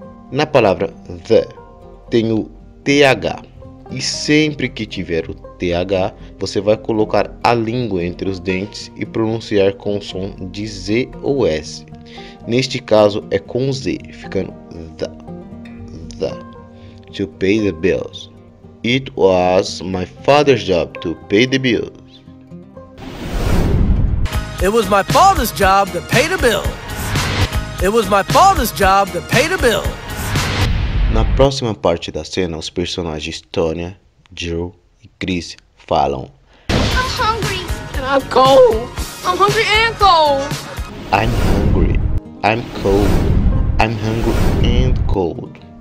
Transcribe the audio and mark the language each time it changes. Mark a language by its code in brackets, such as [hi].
[pt] Na palavra the, tem o TH. E sempre que tiver o TH, você vai colocar a língua entre os dentes e pronunciar com o som de Z ou S. Neste caso, é com Z, ficando the, the. [en] To pay the bills. It was my father's job to pay the bills. It was my father's job to pay the bills. It was my father's job to pay the bills. [pt] Na próxima parte da cena, os personagens Tonya, Drew e Chris falam: [en] I'm hungry. And I'm cold. I'm hungry and cold. I'm hungry. I'm cold. I'm hungry and cold.